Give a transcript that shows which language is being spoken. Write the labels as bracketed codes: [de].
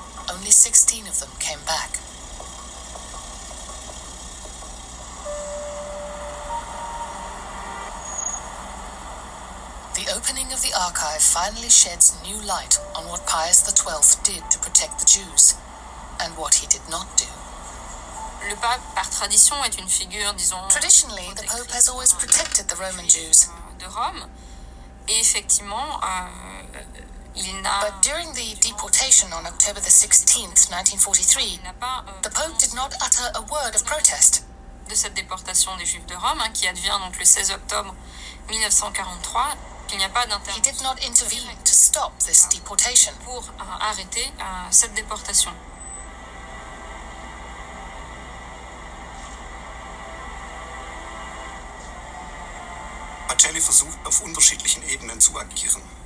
[en] Only 16 of them came back. The opening of the archive finally sheds new light on what Pius XII did to protect the Jews and what he did not do. [fr] Le pape, par tradition, est une figure, disons, [en] traditionally, the Pope has always protected the Roman Jews. [fr] De Rome. Et effectivement, il n'a, [en] but during the deportation on October the 16th, 1943, [fr] il n'a pas, [en] the Pope did not utter a word of protest. [fr] De cette déportation des Juifs de Rome, hein, qui advient donc le 16 octobre 1943, qu'il n'y a pas d'intervention. [en] He did not intervene to stop this deportation. [fr] Pour arrêter cette déportation. [de] Pacelli versucht auf unterschiedlichen Ebenen zu agieren.